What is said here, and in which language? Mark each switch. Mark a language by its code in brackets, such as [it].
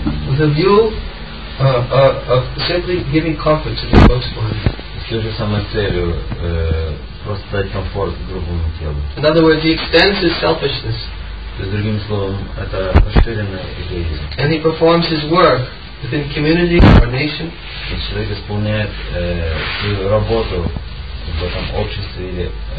[en] With a view of simply giving comfort to the gross body. [ru] С той же самой целью просто дать комфорт другому телу. [en] In other words, he extends his selfishness. [ru] С другим словом, это расширенное эгоизм. [en] And he performs his work within community or nation. [ru] И человек исполняет свою работу в этом обществе или